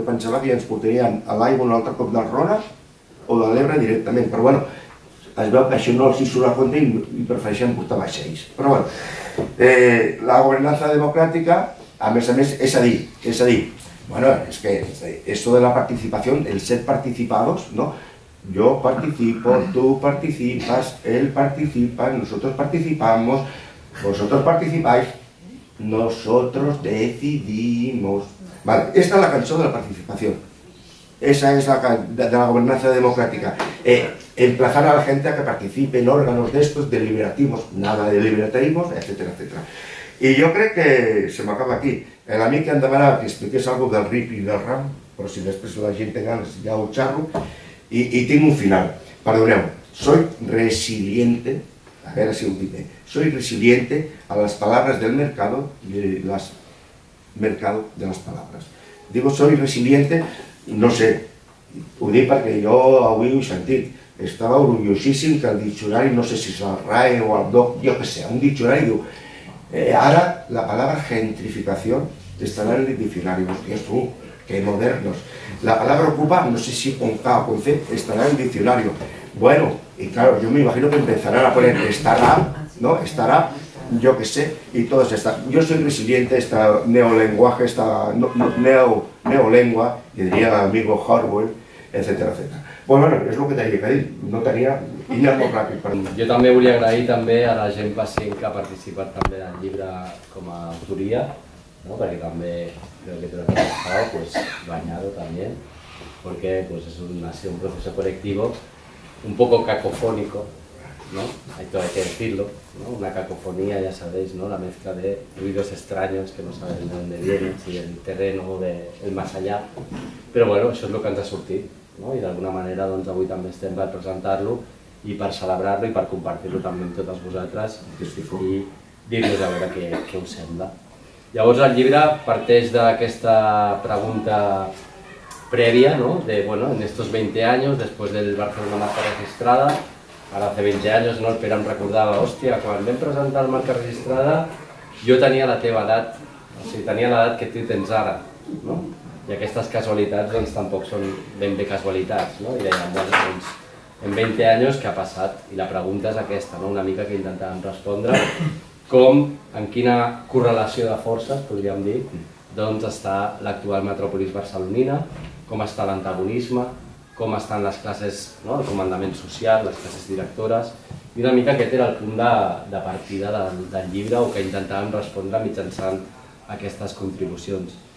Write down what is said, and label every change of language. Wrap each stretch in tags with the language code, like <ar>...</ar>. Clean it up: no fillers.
<ca>Jo pensava que ja ens portarien a l'aigua un altre cop del Rona o de l'Ebre directament. Però bueno, es veu que això no els hi surt a compte i prefereixen portar vaixells. Però bueno, la governança democràtica, a més, és a dir, bueno, és que això de la participació,</ca> <es>el ser participados,</es> <ca>no?</ca> <es>Yo participo, tú participas, él participa, nosotros participamos, vosotros participáis, nosotros decidimos. Vale, esta es la canción de la participación. Esa es la de la gobernanza democrática. Emplazar a la gente a que participe en órganos de estos, deliberativos, nada de deliberativos, etcétera, etcétera. Y yo creo que se me acaba aquí. El amigo que andaba a que expliques algo del RIP y del RAM, por si después la gente gana, si ya lo charro. Y tengo un final. Perdoneu, soy resiliente, a ver si lo dice, soy resiliente a las palabras del mercado y las mercado de las palabras. Digo, soy resiliente, no sé,</es> <ca>ho dic perquè jo avui ho he sentit. Estava orgullosíssim que el diccionari, no sé si és el RAE o el DOC, jo què sé, un diccionari diu, ara</ca> <es>la palabra</es> <ca>gentrificació estarà en el diccionari. Hòstia, tu,</ca> <es>que modernos. La palabra ocupa, no sé si con K o con C,</es> <ca>estarà en el diccionari.</ca> <es>Bueno, y claro, yo me imagino que empezarán a poner estará, ¿no? Estará, yo qué sé, y todas estas. Yo soy resiliente a esta neolenguaje, esta neolengua, que diría el amigo Harwell, etcétera, etcétera. Bueno, bueno, es lo que tenía que decir. No tenía... Y ya muy rápido. Pero... Yo también quería agradecer también a la gente pacient que ha participado también en el libro como autoría, ¿no? Porque también creo que te lo he dejado, pues, bañado también, porque pues, es un, ha sido un proceso colectivo un poco cacofónico, ¿no? Hay que decirlo, ¿no? Una cacofonía, ya sabéis, ¿no? La mezcla de ruidos extraños que no sabes de dónde vienen, si del terreno o del más allá. Pero bueno, eso es lo que</es> <ca>ens ha sortit,</ca> <es>¿no? Y de alguna manera,</es> <ca>doncs, avui també estem per presentar-lo y per celebrar-lo y per compartir-lo també amb totes vosaltres i dir-vos a veure què us sembla. Llavors, el llibre parteix d'aquesta pregunta previa, ¿no?</ca> <es>De, bueno, en estos 20 años,</es> <ca>después del Barcelona Marca Registrada, ahora hace 20 años, ¿no? El Pere em recordava, hòstia, quan vam presentar el Marca Registrada, jo tenia la teva edat, o sigui, tenia l'edat que tu tens ara, ¿no? I aquestes casualitats, doncs, tampoc són ben bé casualitats, ¿no? I deia, bueno, doncs, en 20 anys, què ha passat? I la pregunta és aquesta, ¿no? Una mica que intentàvem respondre, com, en quina correlació de forces, podríem dir, doncs està l'actual metròpolis barcelonina, com està l'antagonisme, com estan les classes, no, el comandament social, les classes directores, i una mica aquest era el punt de partida del llibre o que intentàvem respondre mitjançant aquestes contribucions.</ca>